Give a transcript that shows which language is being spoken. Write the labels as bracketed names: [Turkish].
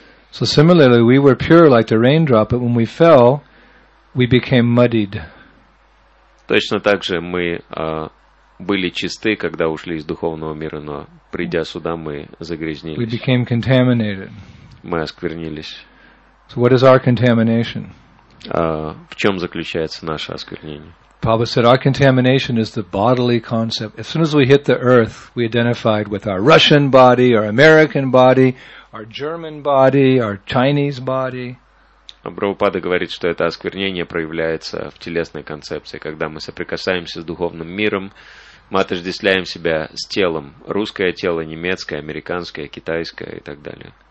[English] So similarly, we were pure like the raindrop, but when we fell, we became muddied. [Russian] Точно так же мы были чисты, когда ушли из духовного мира, но придя сюда, мы загрязнились. [English] We became contaminated. [Russian] Мы осквернились. [English] So what is our contamination? [Russian] В чем заключается наше осквернение? [English] Prabhupada said, our contamination is the bodily concept. As soon as we hit the earth, we identified with our Russian body, our American body, our German body, our Chinese body. [Russian] Прабхупада говорит, что это осквернение проявляется в телесной концепции. Когда мы соприкасаемся с духовным миром, мы отождествляем себя с телом. Русское тело, немецкое, американское, китайское и так далее.